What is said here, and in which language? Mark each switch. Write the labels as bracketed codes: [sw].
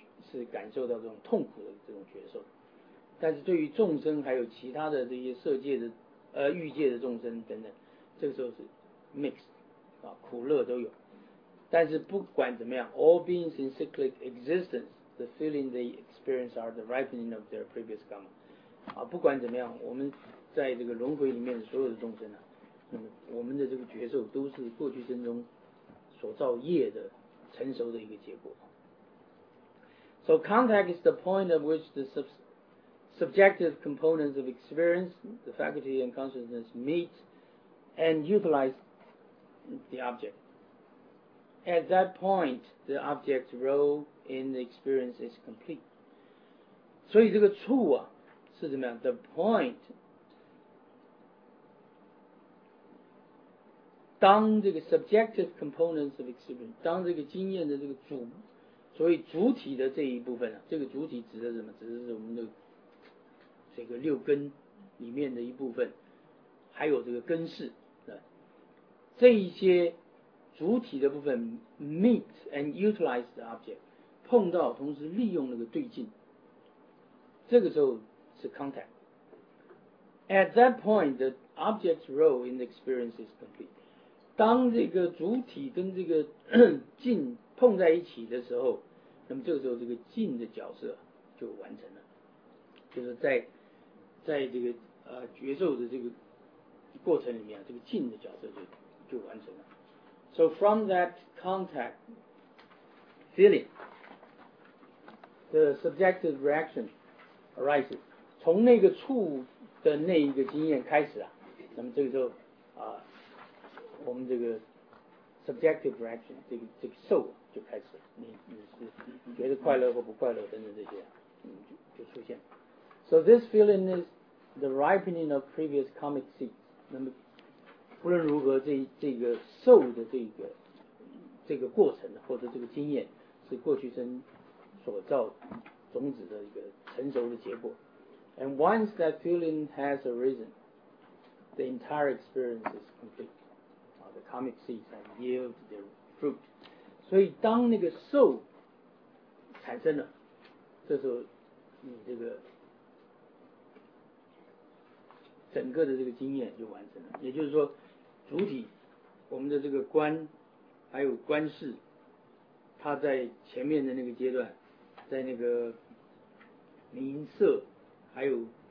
[zh] 是感受到这种痛苦的这种觉受，但是对于众生还有其他的这些色界的欲界的众生等等，这个时候是 mixed 啊，苦乐都有。但是不管怎么样， [en] all beings in cyclic existence, the feeling they experience are the ripening of their previous karma. [zh] 啊，不管怎么样，我们在这个轮回里面的所有的众生啊，那么我们的这个觉受都是过去生中所造业的成熟的一个结果。 [en] So contact is the point at which the subjective components of experience, the faculty and consciousness meet and utilize the object. At that point, the object's role in the experience is complete. [zh] 所以这个触啊是怎么样？ [en] The point, [zh] 当这个 [en] subjective components of experience, [zh] 当这个经验的这个主，所以主体的这一部分啊，这个主体指的是什么？指的是我们的这个六根里面的一部分，还有这个根识，这一些主体的部分 [en] meet and utilize the object, [zh] 碰到同时利用那个对境，这个时候是 contact. [en] At that point, the object's role in the experience is complete. [zh] 当这个主体跟这个境碰在一起的时候，那么这个时候这个境的角色就完成了，就是在这个觉受的这个过程里面，这个境的角色就完成了。 [en] So from that contact feeling, the subjective reaction arises. [zh] 从那个触的那一个经验开始啊，那么这个时候我们这个 [en] subjective reaction [zh] 这个受就开始了。你是觉得快乐或不快乐等等这些，就出现。 [en] So this feeling is the ripening of previous karmic seeds. [zh] 那么无论如何，这个受的这个过程或者这个经验，是过去生所造种子的一个成熟的结果。 [en] And once that feeling has arisen, the entire experience is complete. The karmic seeds have yielded their fruit. [zh] 所以当那个受产生了，这时候你这个整个的这个经验就完成了。也就是说，主体我们的这个观还有观识，它在前面的那个阶段，在那个名色还有